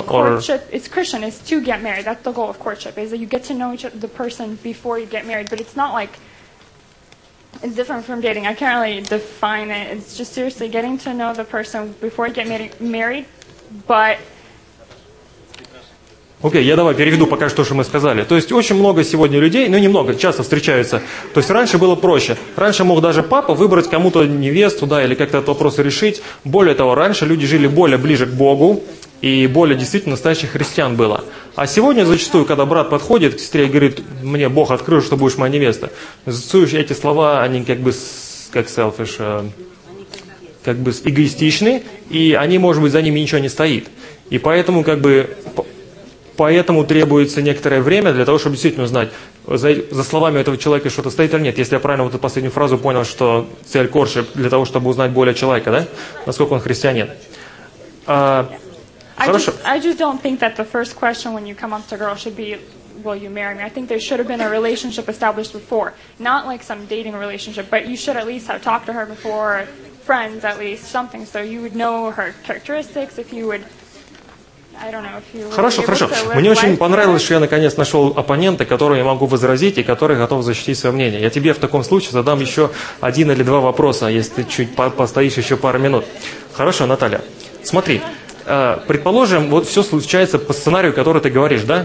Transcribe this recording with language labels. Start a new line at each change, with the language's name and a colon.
English: The goal of courtship, it's Christian, is to get married. That's the goal of courtship, is that you get to know each other, the person before you get married. But it's not like, it's different from dating. I can't really define it. It's just seriously getting to know the person before you get married, but...
Russian: Окей, я давай переведу пока что, что мы сказали. То есть очень много сегодня людей, ну немного, часто встречаются. То есть раньше было проще. Раньше мог даже папа выбрать кому-то невесту, да, или как-то этот вопрос решить. Более того, раньше люди жили более ближе к Богу, и более действительно настоящих христиан было. А сегодня зачастую, когда брат подходит к сестре и говорит, мне Бог открыл, что будешь моя невеста, зачастую эти слова, они как бы как selfish, как бы эгоистичны, и они, может быть, за ними ничего не стоит. И поэтому как бы... Поэтому требуется некоторое время для того, чтобы действительно узнать, за словами этого человека что-то стоит или нет. Если я правильно вот эту последнюю фразу понял, что цель courtship для того, чтобы узнать более человека, да? Насколько он христианин. Хорошо.
English: I just don't think that the first question when you come up to a girl should be, will you marry me? I think there should have been a relationship established before. Not like some dating relationship, but you should at least have talked to her before, friends at least, something, so you would know her characteristics, if you would...
Russian: Хорошо, хорошо. Мне очень понравилось, что я наконец нашел оппонента, которого я могу возразить и который готов защитить свое мнение. Я тебе в таком случае задам еще один или два вопроса, если ты чуть постоишь еще пару минут. Хорошо, Наталья. Смотри, предположим, вот все случается по сценарию, который ты говоришь, да?